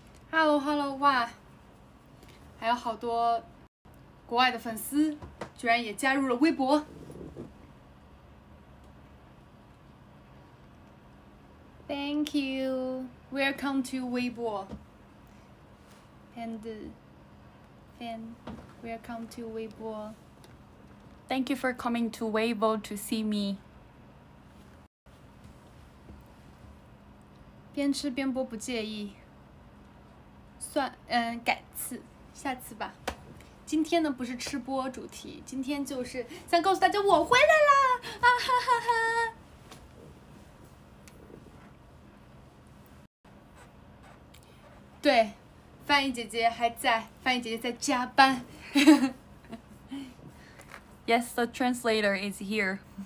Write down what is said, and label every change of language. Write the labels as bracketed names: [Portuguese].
[Chinese] Hello Hello， 哇，还有好多国外的粉丝。居然也加入了微博， [English] Thank you, welcome to Weibo, and fan, welcome to Weibo. Thank you for coming to Weibo to see me. [Chinese] 边吃边播不介意，算，改次，下次吧。今天呢不是吃播主题，今天就是想告诉大家我回来啦！啊哈哈哈！对，翻译姐姐还在，翻译姐姐在加班。 [English] Yes, the translator is here.